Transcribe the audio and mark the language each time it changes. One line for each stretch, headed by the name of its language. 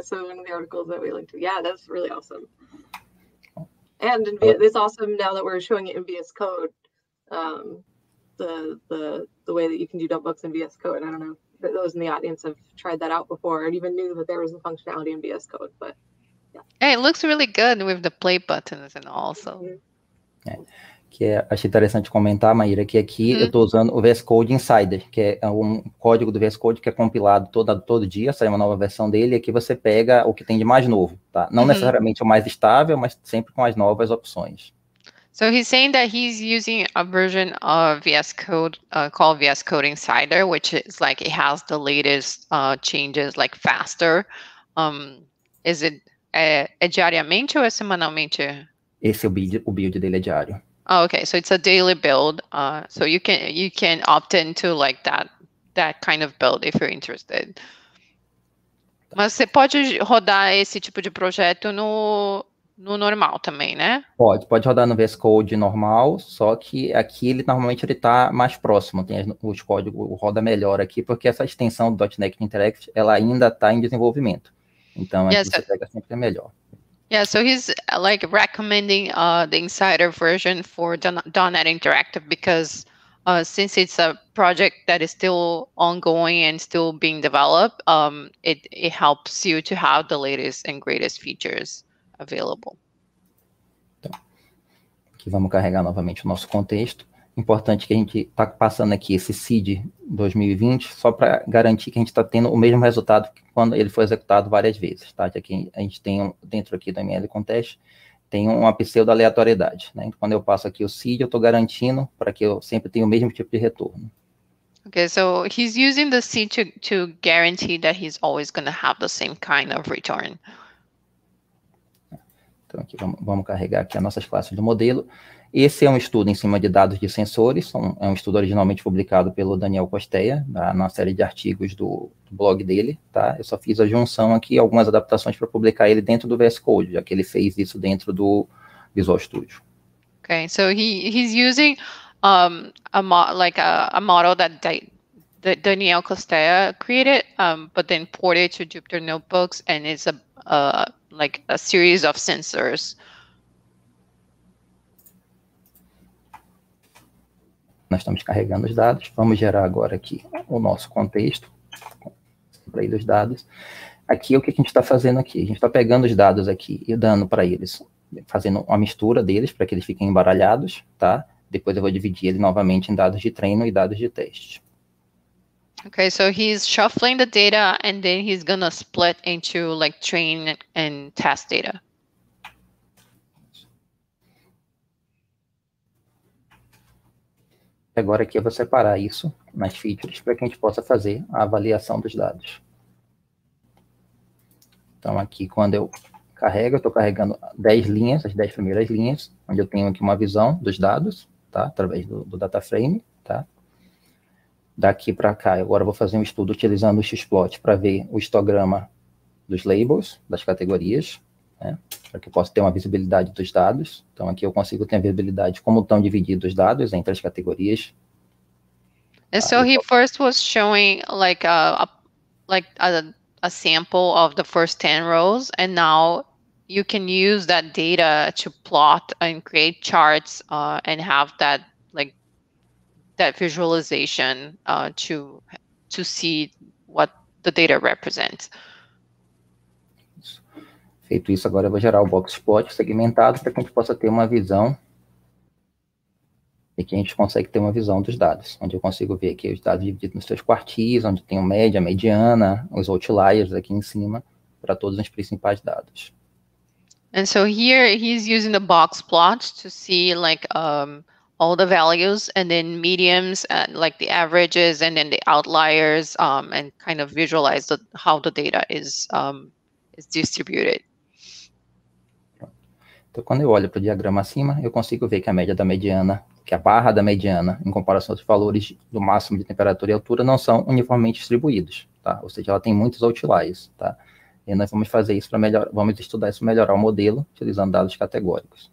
English: So one of the articles that we linked to. Yeah, that's really awesome. And it's awesome now that we're showing it in VS Code, the way that you can do notebooks in VS Code. I don't know for those in the audience have tried that out before and even knew that there was a functionality in VS Code, but yeah. It looks really good with the play buttons and all, so.
Portuguese: Que é, acho interessante comentar, Maíra, que aqui eu estou usando o VS Code Insider, que é um código do VS Code que é compilado todo dia, sai uma nova versão dele, e aqui você pega o que tem de mais novo, tá? Não necessariamente o mais estável, mas sempre com as novas opções.
English: So he's saying that he's using a version of VS Code called VS Code Insider, which is like it has the latest changes like faster. Is it
Portuguese: diariamente ou é semanalmente? Esse é o build dele é diário.
English: Oh, okay, so it's a daily build. So you can opt into like that kind of build if you're interested.
Portuguese: Mas você pode rodar esse tipo de projeto no normal também, né? Pode rodar no VS Code normal, só que aqui ele normalmente ele está mais próximo, tem os códigos, roda melhor aqui, porque essa extensão do .NET Interact ela ainda está em desenvolvimento. Então aqui você pega sempre melhor.
English: Yeah, so he's like recommending the Insider version for .NET Interactive because since it's a project that is still ongoing and still being developed, it helps you to have the latest and greatest features available.
Portuguese: Então, aqui vamos carregar novamente o nosso contexto. Importante que a gente está passando aqui esse seed 2020 só para garantir que a gente está tendo o mesmo resultado que quando ele foi executado várias vezes, tá? Aqui a gente tem, dentro aqui do ML Contest, tem uma pseudo aleatoriedade, né? Então, quando eu passo aqui o seed, eu estou garantindo para que eu sempre tenha o mesmo tipo de retorno.
English: Ok, so he's using the seed to guarantee that he's always going to have the same kind of return.
Portuguese: Então, aqui vamos carregar aqui as nossas classes do modelo. Esse é um estudo em cima de dados de sensores, é um estudo originalmente publicado pelo Daniel Costeia, na série de artigos do blog dele, tá? Eu só fiz a junção aqui, algumas adaptações para publicar ele dentro do VS Code, já que ele fez isso dentro do Visual Studio.
English: Ok, so he's using a model that Daniel Costeia created, but then ported to Jupyter Notebooks, and it's a series of sensors.
Portuguese: Nós estamos carregando os dados, vamos gerar agora aqui o nosso contexto, play dos dados. Aqui, o que a gente está fazendo aqui? A gente está pegando os dados aqui e dando para eles, fazendo uma mistura deles para que eles fiquem embaralhados, tá? Depois eu vou dividir ele novamente em dados de treino e dados de teste.
English: Ok, so he's shuffling the data and then he's gonna split into like train and test data.
Portuguese: Agora aqui eu vou separar isso nas features para que a gente possa fazer a avaliação dos dados. Então aqui quando eu carrego, eu estou carregando 10 linhas, as 10 primeiras linhas, onde eu tenho aqui uma visão dos dados, tá? Através do data frame, tá? Daqui para cá, agora eu vou fazer um estudo utilizando o XPlot para ver o histograma dos labels, das categorias, né? Para que eu possa ter uma visibilidade dos dados. Então, aqui eu consigo ter a visibilidade como estão divididos os dados entre as categorias.
English: And so he first was showing like a sample of the first 10 rows, and now you can use that data to plot and create charts and have that like that visualization to see what the data represents.
Portuguese: Feito isso, agora eu vou gerar o box plot segmentado para que a gente possa ter uma visão e que a gente consegue ter uma visão dos dados, onde eu consigo ver aqui os dados divididos nos seus quartis, onde tem o média, a mediana, os outliers aqui em cima, para todos os principais dados.
English: And so here he's using the box plot to see like all the values and then mediums and like the averages and then the outliers and kind of visualize how the data is distributed.
Portuguese: Então, quando eu olho para o diagrama acima, eu consigo ver que a média da mediana, que a barra da mediana, em comparação aos valores do máximo de temperatura e altura, não são uniformemente distribuídos, tá? Ou seja, ela tem muitos outliers, tá? E nós vamos fazer isso para melhorar, vamos estudar isso, melhorar o modelo, utilizando dados categóricos.